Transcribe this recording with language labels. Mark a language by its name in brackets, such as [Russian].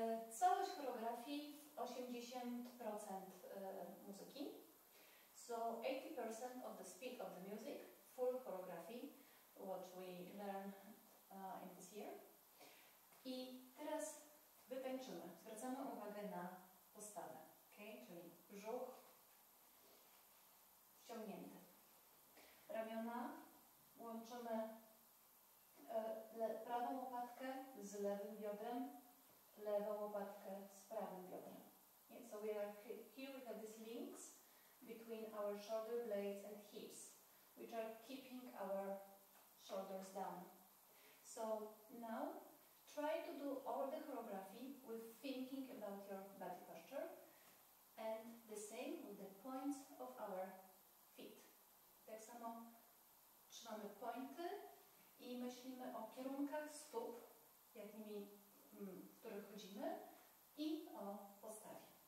[Polish] Całość choreografii 80% muzyki. [English] So 80% of the speed of the music, full choreography, what we learned in this year. [Polish] I teraz wytańczymy. Zwracamy uwagę na postawę, okay? Czyli brzuch wciągnięty. Ramiona łączymy prawą łopatkę z lewym biodrem. Lewą łopatkę z prawym biodrem. [English] Yeah, so we are here we have these links between our shoulder blades and hips, which are keeping our shoulders down. So now try to do all the choreography with thinking about your body posture and the same with the points of our feet. [Polish] Tak samo trzymamy pointy i myślimy o kierunkach stóp, jak nimi w których chodzimy i o postawie.